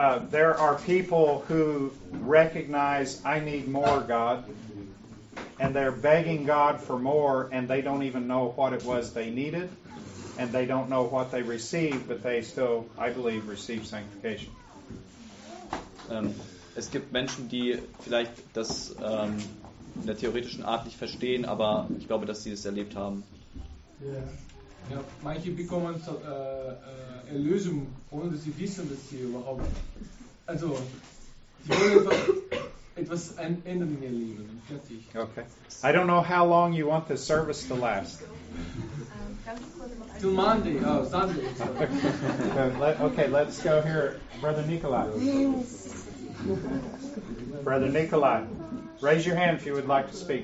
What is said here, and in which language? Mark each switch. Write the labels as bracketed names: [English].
[English] There are people who recognize I need more God, and they're begging God for more, and they don't even know what it was they needed, and they don't know what they received, but they still, I believe, receive sanctification. [German] Es gibt Menschen, die vielleicht das in der theoretischen Art nicht verstehen, aber ich glaube, dass sie es erlebt haben. Ja, manche bekommen Erlösung, ohne dass sie wissen, dass sie überhaupt. Also, sie wollen einfach etwas ändern in ihr Leben. Fertig. [English] Okay. I don't know how long you want this service to last. Till Monday. Oh, Sunday. Let's go here. Brother Nikolai. Brother Nikolai. Raise your hand if you would like to speak.